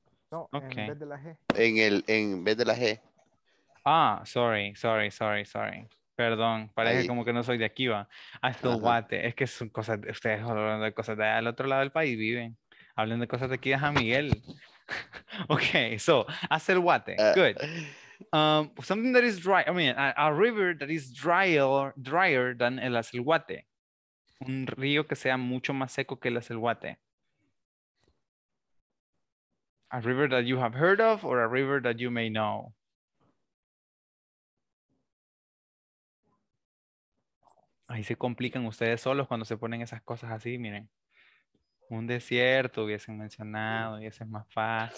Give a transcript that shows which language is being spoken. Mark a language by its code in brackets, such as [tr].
[es] No, okay. En vez de la G. En vez de la G. [en] Ah, sorry. [es] Perdón, parece ahí. Como que no soy de aquí, va. Aceguate. Es que son cosas, ustedes hablan de cosas de allá al otro lado del país, viven. Hablan de cosas de aquí de San Miguel. [en] Okay, so, Aceguate. Good. Something that is dry, I mean, a river that is drier than el Aceguate. [es] Un río que sea mucho más seco que el Aceguate. [en] A river that you have heard of or a river that you may know? [es] Ahí se complican ustedes solos cuando se ponen esas cosas así, miren. Un desierto hubiesen mencionado y ese es más fácil.